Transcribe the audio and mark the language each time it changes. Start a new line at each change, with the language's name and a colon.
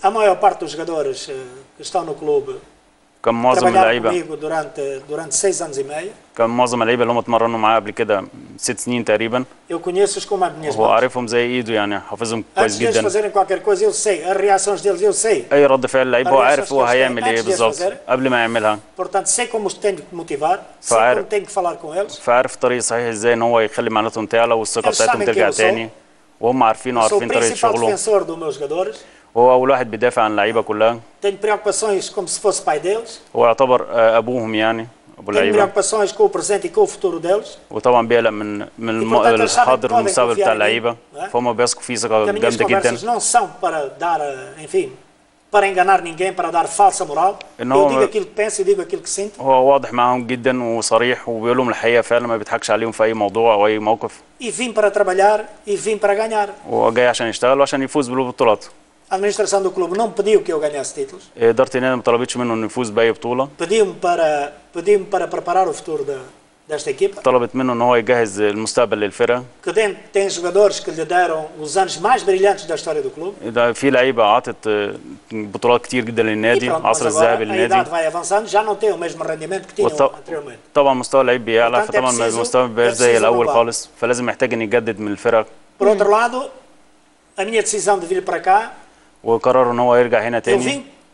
Portuguese: A maior parte dos jogadores que estão no clube
Arabic: كان معظم اللعيبه
Portuguese: durante 6 anos e meio.
Arabic: كان معظم اللعيبه اللي هم اتمرنوا معايا قبل كده 6 سنين تقريبا.
Portuguese: Eu conheço-os como a minha
Arabic: esposa. وعارفهم زي ايده يعني، حافظهم كويس جدا.
Portuguese: Antes de eles fazerem qualquer coisa, eu sei. As reações deles, eu sei.
Arabic: اي رد فعل اللعيبه هو عارف هو هيعمل ايه بالظبط قبل ما يعملها.
Portuguese: Portanto, sei como os tenho que motivar, sei como tenho que falar com eles.
Arabic: فعارف الطريق الصحيح ازاي ان هو يخلي معناتهم تعلى والثقه بتاعتهم ترجع تاني. وهم عارفين وعارفين طريقة شغله. هو أول واحد بيدافع عن اللعيبة كلها.
Portuguese: Tenho preocupações como se fosse pai deles.
Arabic: هو يعتبر أبوهم يعني، أبو اللعيبة.
Portuguese: Tenho preocupações com o presente e com o futuro deles.
Arabic: وطبعا بيقلق من الحاضر والمستقبل بتاع اللعيبة، فهم بيثقوا فيه ثقة جامدة جدا.
Portuguese: Minhas conversas não são para dar, enfim, para enganar ninguém, para dar falsa moral. Eu digo aquilo que penso e digo aquilo que sinto.
Arabic: هو واضح معاهم جدا وصريح وبيقول لهم الحقيقة فعلا، ما بيضحكش عليهم في أي موضوع أو أي موقف.
Portuguese: E vim para trabalhar e vim para ganhar.
Arabic: هو جاي عشان يشتغل وعشان يفوز بالبطولات.
Portuguese: A administração do clube não pediu que eu ganhasse títulos.
Arabic: إدارة النادي ما طلبتش منه إنه يفوز بأي بطولة.
Portuguese: Pediu-me para preparar o futuro desta equipa.
Arabic: طلبت منه إن هو يجهز المستقبل للفرقة.
Portuguese: Que tem jogadores que lhe deram os anos mais brilhantes da história do clube.
Arabic: إذا في لعيبة عطت بطولات كتير جدا للنادي، عصر الذهبي للنادي.
Portuguese: A idade vai avançando, já não tem o mesmo rendimento que tinha anteriormente.
Arabic: طبعا مستوى اللعيب بيعلى، فطبعا المستوى ما بقاش زي الأول خالص، فلازم محتاج إن يجدد من الفرق.
Portuguese: Por outro lado, a minha decisão de vir para cá.
Arabic: وقرروا ان هو يرجع هنا تاني.